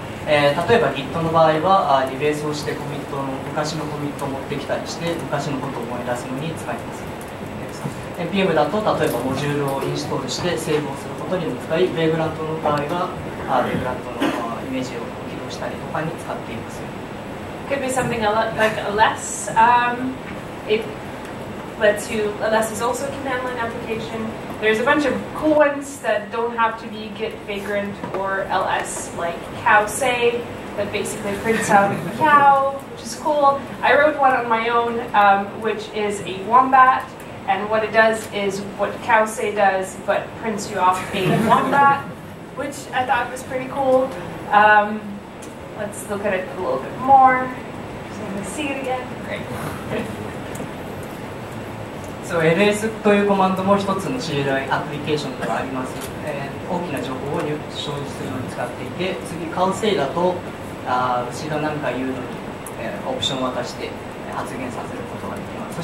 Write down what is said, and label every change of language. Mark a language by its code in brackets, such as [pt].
[ja] 例えば Git の場合はリベースをしてコミットの昔のコミットを持ってきたりして昔のことを思い出すのに使います。 NPM だと例えばモジュールをインストールしてセーブをすることにも使い、 Vagrant の場合は Vagrant のイメージを起動したりとかに使っています。 [en] Could be something like less、less is also a command line application. There's a bunch of cool ones that don't have to be Git, Vagrant, or LS, like cowsay, that basically prints out a cow, which is cool. I wrote one on my own, which is a wombat, and what it does is what cowsay does, but prints you off a wombat, which I thought was pretty cool. Let's look at it a little bit more. So I'm going to see it again. Great. [ja] そう、LS というコマンドも一つの CLI アプリケーションではあります。大きな情報を表示するのに使っていて、次、cowsay だと、牛が何か言うのに、オプションを渡して発言させることができます。